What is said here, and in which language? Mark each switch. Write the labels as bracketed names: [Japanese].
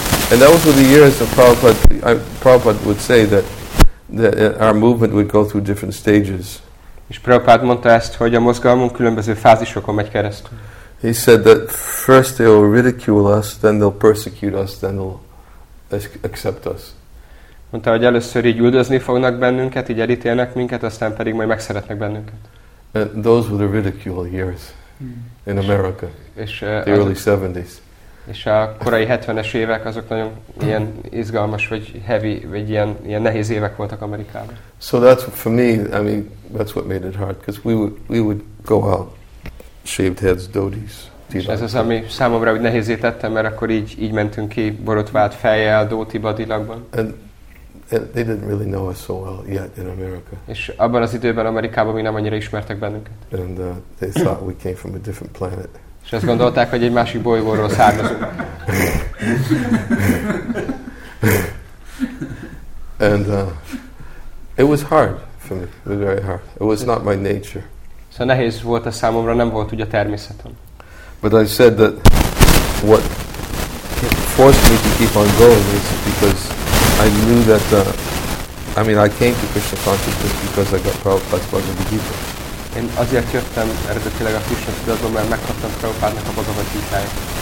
[English] And that was for the years of Prabhupada would say that our movement would go through different stages. [Hungarian] És Prabhupada mondta ezt, hogy a mozgalmunk különböző fázisokon megy keresztül. [English] He said that first they will ridicule us, then they'll persecute us, then they'll accept us. [Hungarian] Mondta, hogy először így üldözni fognak bennünket, így elítélnek minket, aztán pedig majd megszeretnek bennünket. [English] And those were the ridicule years in America, the early 70s. [Hungarian] És a korai 70-es évek azok nagyon ilyen izgalmas vagy heavy vagy ilyen nehéz évek voltak Amerikában. [English] So that's for me, I mean, that's what made it hard because we would go out shaved heads, dhotis. [Hungarian] Ez az, ami számomra úgy nehézé tette, mert akkor így mentünk ki borotvált fejjel, dhoti badilagban. [English] And they didn't really know us so well yet in America. [Hungarian] És abban az időben Amerikában még nem annyira ismertek bennünket. [English] And they thought we came from a different planet. [Hungarian] És azt gondolták, hogy egy másik bolygóról származunk. [English] And it was hard for me, very hard. It was not my nature. [Hungarian] Szóval nehéz volt a számomra, nem volt úgy a természetem. [English] But I said that what forced me to keep on going is because I knew that I mean I came to Krishna consciousness because I got Prabhupada's Bhagavad Gita. [Hungarian] Én azért jöttem eredetileg a Krishna tudatba, mert megkaptam Prabhupádnak a Bhagavad Gitáját.